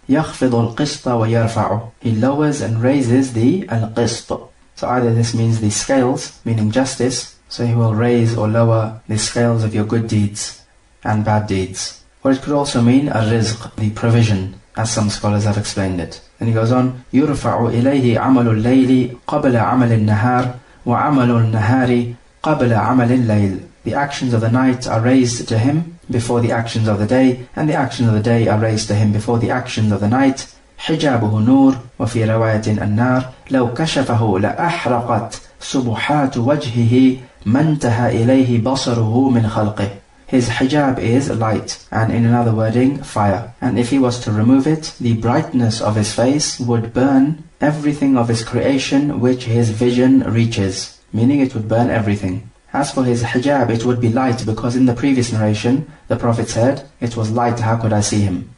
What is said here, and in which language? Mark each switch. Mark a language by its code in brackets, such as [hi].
[ar] يَخْفِضُ الْقِسْطَ وَيَرْفَعُ. [en] He lowers and raises the al-qist. So either this means the scales, meaning justice, so he will raise or lower the scales of your good deeds and bad deeds. Or it could also mean al-rizq, the provision, as some scholars have explained it. And he goes on, [ar] يُرْفَعُ إِلَيْهِ عَمَلُ اللَّيْلِ قَبْلَ عَمَلِ النَّهَارِ وَعَمَلُ النَّهَارِ قَبْلَ عَمَلِ اللَّيْلِ. [en] The actions of the night are raised to him before the actions of the day, and the actions of the day are raised to him before the actions of the night. [ar] حجابه نور وفي رواية النار لو كشفه لأحرقت سبحات وجهه منتهى إليه بصره من خلقه. [en] His hijab is light, and in another wording, fire. And if he was to remove it, the brightness of his face would burn everything of his creation which his vision reaches. Meaning it would burn everything. As for his hijab, it would be light, because in the previous narration, the Prophet said, "It was light, how could I see him?"